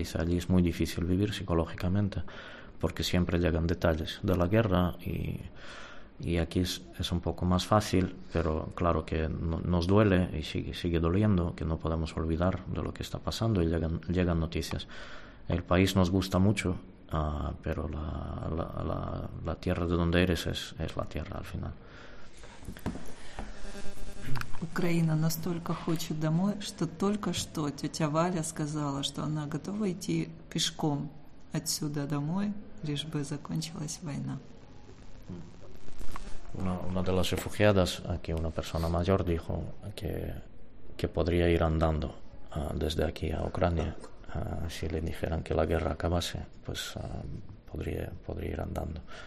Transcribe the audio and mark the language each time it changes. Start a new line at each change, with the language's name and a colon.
Spanish: Dice, allí es muy difícil vivir psicológicamente, porque siempre llegan detalles de la guerra, y aquí es un poco más fácil, pero claro que nos duele y sigue doliendo, que no podemos olvidar de lo que está pasando, y llegan noticias. El país nos gusta mucho, pero la tierra de donde eres es la tierra al final.
Russian: Украина настолько хочет домой, что только что тетя Валя сказала, что она готова идти пешком отсюда домой, лишь бы закончилась война.
Spanish: Una de las refugiadas, aquí una persona mayor, dijo que podría ir andando desde aquí a Ucrania. Si le dijeran que la guerra acabase, pues podría ir andando.